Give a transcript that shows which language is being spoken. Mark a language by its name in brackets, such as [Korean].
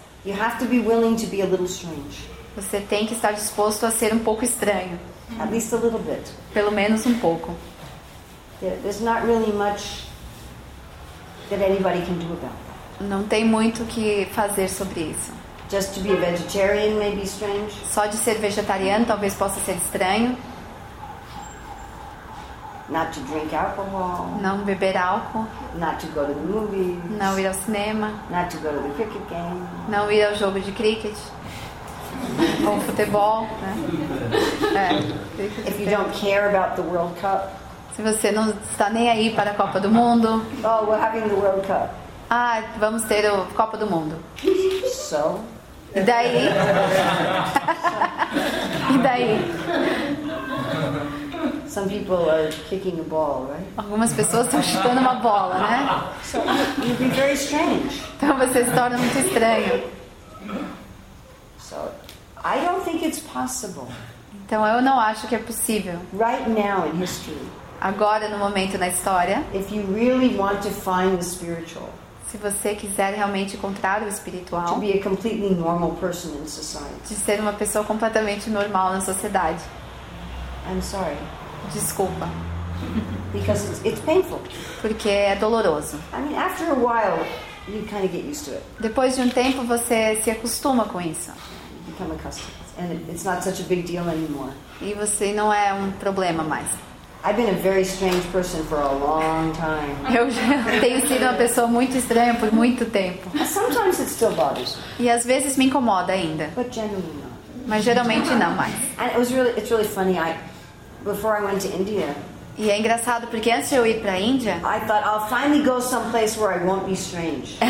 [English] you have to be willing to be a little strange. [Portuguese] Você tem que estar disposto a ser um pouco estranho. [English] At least a little bit. [Portuguese] Pelo menos um pouco. [English] There's not really much that anybody can do about that. [Portuguese] Não tem muito o que fazer sobre isso. [English] Just to be a vegetarian may be strange. [Portuguese] Só de ser vegetariano talvez possa ser estranho. [English] Not to drink alcohol. [Portuguese] Não beber álcool. [English] Not to go to the movies. [Portuguese] Não ir ao cinema. [English] Not to go to the cricket game. [Portuguese] Não ir ao jogo de cricket. Ou futebol, né? [English] If you don't care about the World Cup. [Portuguese] Se você não está nem aí para a Copa do Mundo. [English] Oh, we're having the World Cup. [Portuguese] Ah, vamos ter a Copa do Mundo. [English] So? [Portuguese] E daí? E daí? [English] Some people are kicking a ball, right? [Portuguese] Algumas pessoas estão chutando uma bola, né? [English] So you'd be very strange. [Portuguese] Então você se torna muito estranho. [English] So, I don't think it's possible. [Portuguese] Então eu não acho que é possível. [English] Right now in history. [Portuguese] Agora no momento na história. [English] If you really want to find the spiritual. [Portuguese] Se você quiser realmente encontrar o espiritual, [English] to be a completely normal person in society. [Portuguese] De ser uma pessoa completamente normal na sociedade. [English] I'm sorry. [Portuguese] Desculpa. [English] Because it's painful. [Portuguese] Porque é doloroso. [English] I mean, after a while, you kind of get used to it. [Portuguese] Depois de tempo, você se acostuma com isso. [English] You become accustomed. And it's not such a big deal anymore. [Portuguese] E você não é problema mais. [English] I've been a very strange person for a long time. [Portuguese] Eu tenho sido uma pessoa muito estranha por muito tempo. [English] Sometimes it still bothers. [Portuguese] E às vezes me incomoda ainda. [English] But generally not. [Portuguese] Mas geralmente não mais. [English] And it's really funny. Before I went to India. [Portuguese] E é engraçado porque antes de eu ir para a Índia, [English] I thought I'll finally go someplace where I won't be strange.